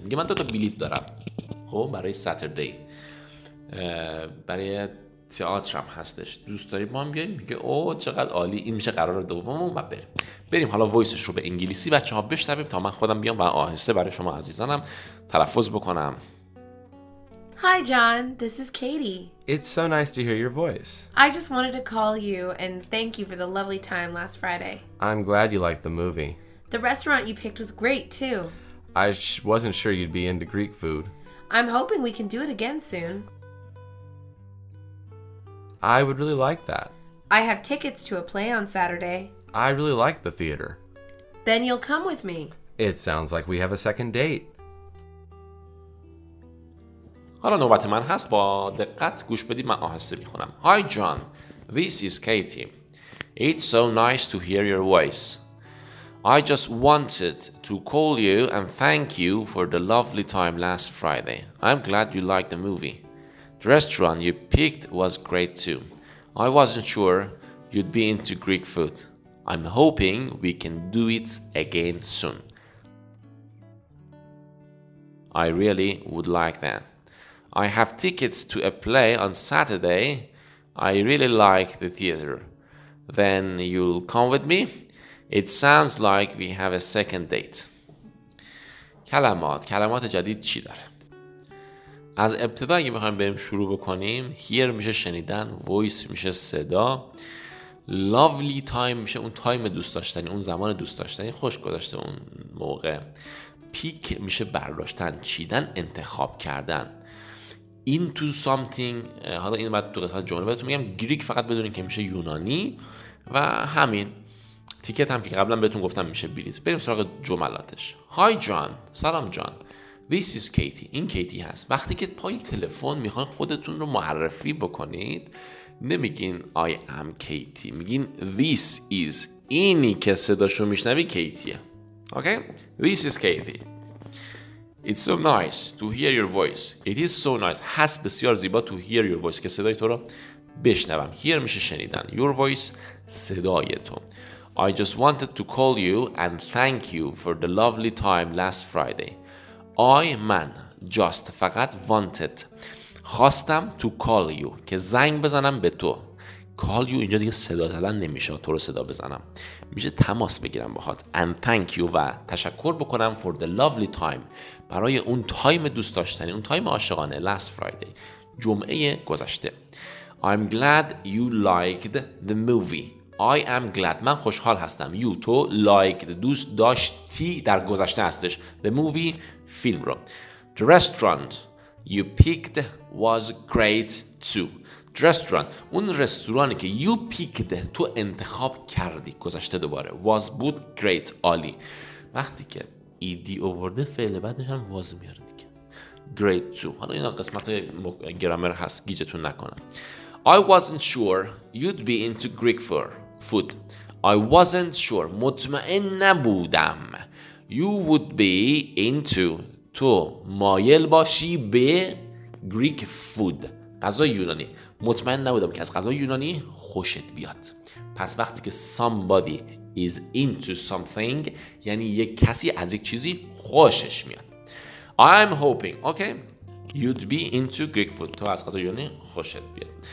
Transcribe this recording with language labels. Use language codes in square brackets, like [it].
[fa] میگه من دو تا بلیط دارم خب برای ساتردی، برای تئاتر هم هستش، دوست داری با هم بیای؟ میگه او چقدر عالی، این میشه قرار دوممون. بریم حالا وایسش رو به انگلیسی بچه‌ها بشنویم تا من خودم بیام و آهسته برای شما عزیزانم تلفظ بکنم. [en] Hi John, this is Katie. It's so nice to hear your voice. I just wanted to call you and thank you for the lovely time last Friday. I'm glad you liked the movie. The restaurant you picked was great too. I wasn't sure you'd be into Greek food. I'm hoping we can do it again soon. I would really like that. I have tickets to a play on Saturday. I really like the theater. Then you'll come with me. It sounds like we have a second date. [fa] حالا نوبت من هست، با دقت گوش بدید، من آهسته میخونم. [en] Hi John, this is Katie. It's so nice to hear your voice. I just wanted to call you and thank you for the lovely time last Friday. I'm glad you liked the movie. The restaurant you picked was great too. I wasn't sure you'd be into Greek food. I'm hoping we can do it again soon. I really would like that. I have tickets to a play on Saturday. I really like the theater. Then you'll come with me? It sounds like we have a second date. [fa] کلمات جدید چی داره؟ از ابتدا اگه بخوایم بریم شروع بکنیم، هیر میشه شنیدن، وایس میشه صدا، لوولی تایم میشه اون تایم دوست داشتنی، اون زمان دوست داشتنی، خوش گذشته اون موقع. پیک میشه برداشتن، چیدن، انتخاب کردن. [en] Into something، [fa] حالا این بعد تو قسمت جمله بهتون میگم، گریک فقط بدونین که میشه یونانی، و همین تیکت هم که قبلا بهتون گفتم میشه بلیط. بریم سراغ جملاتش. [en] Hi John، [fa] سلام جان. [en] This is Katie، [fa] این کیتی هست. وقتی که پای تلفن میخواین خودتون رو معرفی بکنید، نمیگین [en] I am Katie، [fa] میگین [en] This is، [fa] اینی که صداشو میشنوی کیتیه. [en] Okay، This is Katie. It's so nice to hear your voice. It is so nice. [fa] هست بسیار زیبا [en] to hear your voice، [fa] که صدای تو رو بشنوم. [en] Hear [fa] میشه شنیدن. [en] Your voice، [fa] صدای تو. [en] I just wanted to call you and thank you for the lovely time last Friday. I just [fa] فقط [en] wanted، [fa] خواستم [en] to call you، [fa] که زنگ بزنم به تو. [en] Call you [fa] اینجا دیگه صدا زدن نمیشه، تو رو صدا بزنم، میشه تماس بگیرم باهات. [en] And thank you، [fa] و تشکر بکنم [en] for the lovely time، [fa] برای اون تایم دوست داشتنی، اون تایم عاشقانه، [en] last Friday، [fa] جمعه گذشته. [en] I'm glad you liked the movie. I am glad، [fa] من خوشحال هستم. [en] You، [fa] تو، [en] liked، [fa] دوست داشتی، در گذشته هستش، [en] the movie، [fa] فیلم رو. [en] The restaurant you picked was great too. The restaurant، [fa] اون رستورانی که [en] you picked، [fa] تو انتخاب کردی، گذشته دوباره، [en] was، [fa] بود، [en] great، [fa] عالی. وقتی که ایدی اوورده فعل بعدش هم واز میاره دیگه، [en] great too. [fa] حالا اینا قسمت های گرامر هست، گیجتون نکنم. [en] I wasn't sure you'd be into Greek food. I wasn't sure، [fa] مطمئن نبودم. [en] You would be into، [fa] تو مایل باشی به [en] Greek food، [fa] غذای یونانی. مطمئن نبودم که از غذای یونانی خوشت بیاد. پس وقتی که [en] somebody is into something، [fa] یعنی یک کسی از یک چیزی خوشش میاد. [en] I'm hoping، okay، you'd be into Greek food، [fa] تو از غذای یونانی خوشت بیاد.